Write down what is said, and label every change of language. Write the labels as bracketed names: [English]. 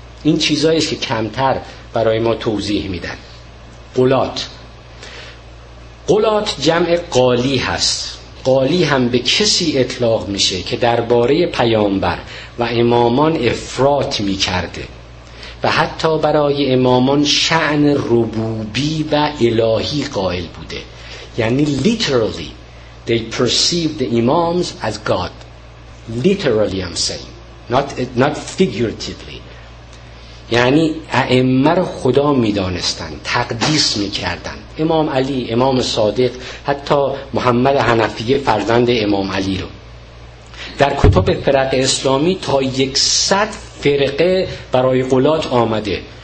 [Persian] این چیزاییست که کمتر برای ما توضیح میدن. قلات، قلات جمع قالی هست. قالی هم به کسی اطلاق میشه که درباره پیامبر و امامان افراط میکرده و حتی برای امامان شأن ربوبی و الهی قائل بوده. یعنی [English] literally they perceive the imams as God. Literally I'm saying, not figuratively. [Persian] یعنی ائمه رو خدا می دانستن، تقدیس می کردن. امام علی، امام صادق، حتی محمد حنفیه فرزند امام علی رو. در کتب فرق اسلامی تا 100 فرقه برای قلات آمده.